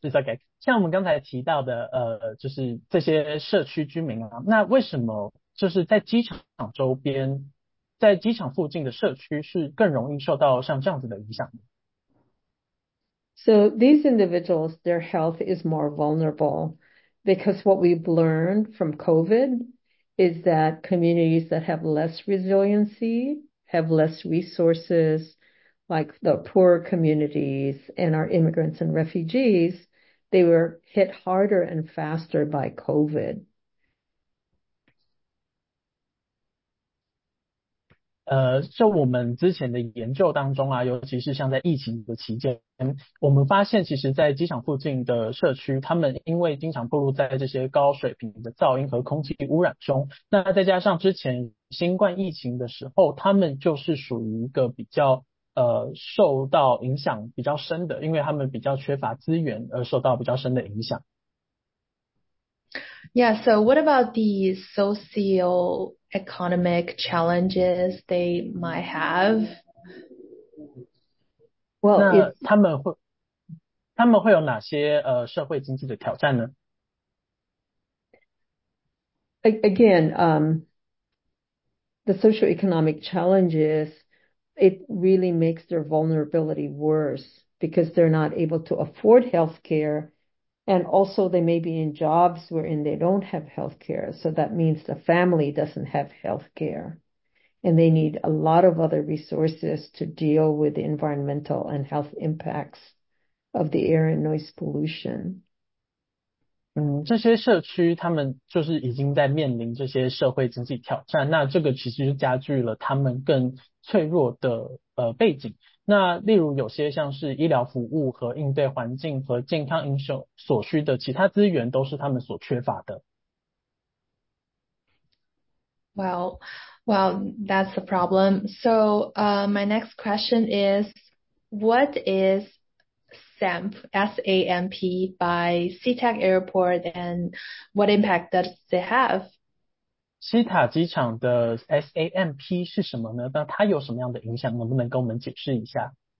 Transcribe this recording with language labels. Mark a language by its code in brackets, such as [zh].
[en] Go ahead, [zh] 像我们刚才提到的，就是这些社区居民啊，那为什么就是在机场周边，在机场附近的社区是更容易受到像这样子的影响？ [en] So these individuals, their health is more vulnerable because what we've learned from COVID is that communities that have less resiliency have less resources, like the poor communities and our immigrants and refugees, they were hit harder and faster by COVID. [zh] 就我们之前的研究当中啊，尤其是像在疫情的期间，我们发现其实在机场附近的社区，他们因为经常暴露在这些高水平的噪音和空气污染中，那再加上之前新冠疫情的时候，他们就是属于一个比较受到影响比较深的，因为他们比较缺乏资源而受到比较深的影响。 [en] Yeah, so what about the socioeconomic challenges they might have? Well, [zh] 他们会有哪些社会经济的挑战呢？ [en] Again, the socioeconomic challenges, it really makes their vulnerability worse because they're not able to afford healthcare. And also, they may be in jobs wherein they don't have healthcare. So that means the family doesn't have healthcare. And they need a lot of other resources to deal with the environmental and health impacts of the air and noise pollution. [zh] 这些社区他们就是已经在面临这些社会经济挑战，那这个其实就加剧了他们更脆弱的背景。那例如有些像是医疗服务和应对环境和健康因素所需的其他资源都是他们所缺乏的。 [en] Well, that's the problem. So, my next question is, what is SAMP, S-A-M-P, by SeaTac Airport, and what impact does it have? [zh] 西塔机场的 SAMP 是什么呢？那它有什么样的影响？能不能跟我们解释一下？